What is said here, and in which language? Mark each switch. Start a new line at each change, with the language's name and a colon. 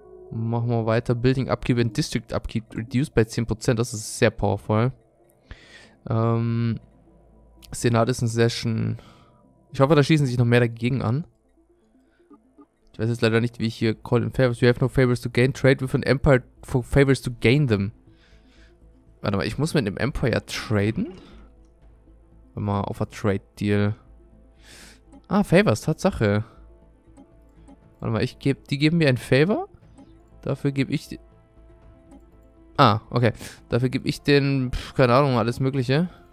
English: Machen wir weiter. Building Upkeep and District Upkeep reduced by 10%.
German: Das ist sehr powerful. Senat ist eine Session. Ich hoffe, da schließen sich noch mehr dagegen an. Ich weiß jetzt leider nicht, wie ich hier call in favors.
English: We have no favors to gain. Trade with an empire for favors to gain them.
German: Warte mal, ich muss mit dem Empire traden? Wenn man auf
English: a trade deal.
German: Ah, favors, Tatsache. Warte mal, die geben mir ein Favor. Dafür gebe ich. Okay. Dafür gebe ich den. Keine Ahnung, alles Mögliche.